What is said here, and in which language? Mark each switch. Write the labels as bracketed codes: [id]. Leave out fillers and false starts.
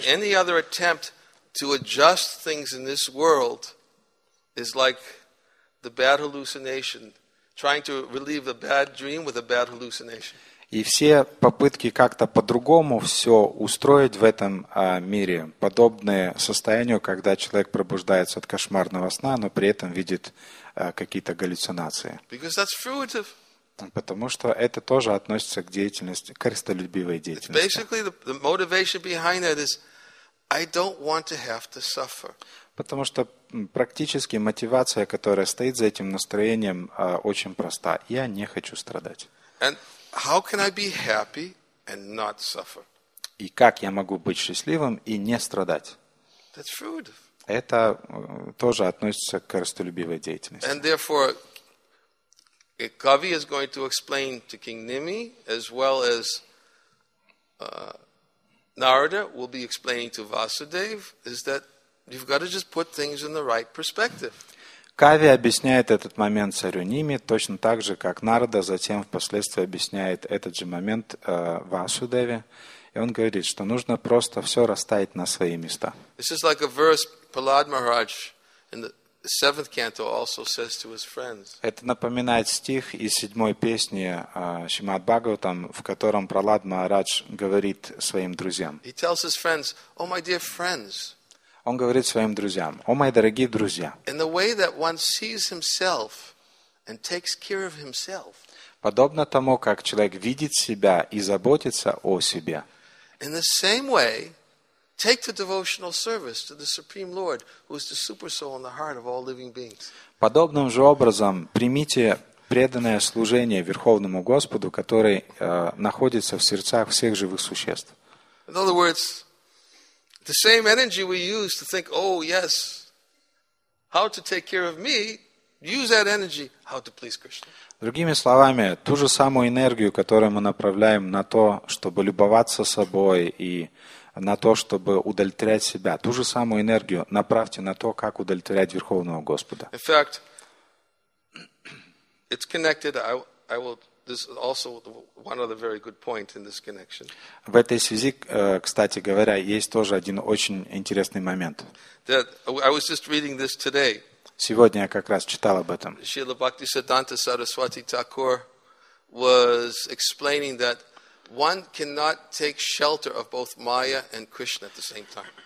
[en] And any other attempt to adjust things in this world is like the bad hallucination, trying to relieve a bad dream with a bad hallucination. [ru] И все попытки как-то по-другому все устроить в этом мире, подобные состоянию, когда человек пробуждается от кошмарного сна, но при этом видит какие-то галлюцинации. [en] Because that's fruitive. [ru] Потому что это тоже относится к деятельности, к корыстолюбивой деятельности. [en] Basically, the motivation behind that is, I don't want to have to suffer. [ru] Потому что практически мотивация, которая стоит за этим настроением, очень проста. Я не хочу страдать. [en] And how can I be happy and not suffer? [ru] И как я могу быть счастливым и не страдать? [en] That's food. [ru] Это тоже относится к корыстолюбивой деятельности. [en] And therefore, Kavi is going to explain to King Nimi, as well as Narada will be explaining to Vasudev, is that you've got to just put things in the right perspective. [ru] Кави объясняет этот момент царю Ними точно так же, как Нарада затем впоследствии объясняет этот же момент Васудеве. И он говорит, что нужно просто все расставить на свои места. [en] This is like a verse Prahlad Maharaj in the seventh canto also says to his friends. [ru] Это напоминает стих из седьмой песни Шримад Бхагаватам, в котором Прахлад Махарадж говорит своим друзьям. [en] He tells his friends, "Oh my dear friends." [ru] Он говорит своим друзьям, о мои дорогие друзья. [en] In the way that one sees himself and takes care of himself. [ru] Подобно тому, как человек видит себя и заботится о себе. [en] In the same way, take the devotional service to the Supreme Lord, who is the super soul in the heart of all living beings. [ru] Подобным же образом примите преданное служение Верховному Господу, который находится в сердцах всех живых существ. [en] In other words, the same energy we use to think, oh yes, how to take care of me, use that energy how to please Krishna. [ru] Другими словами, ту же самую энергию, которую мы направляем на то, чтобы любоваться собой и на то, чтобы удовлетворять себя, ту же самую энергию направьте на то, как удовлетворять Верховного Господа. [en] In fact, it's connected. I will. This is also one other very good point in this connection. [ru] В этой связи, кстати говоря, есть тоже один очень интересный момент. [en] That I was just reading this today. [ru] Сегодня я как раз читал об этом. [en] Srila Bhaktisiddhanta Saraswati Thakur was explaining that one cannot take shelter of both Maya and Krishna at the same time.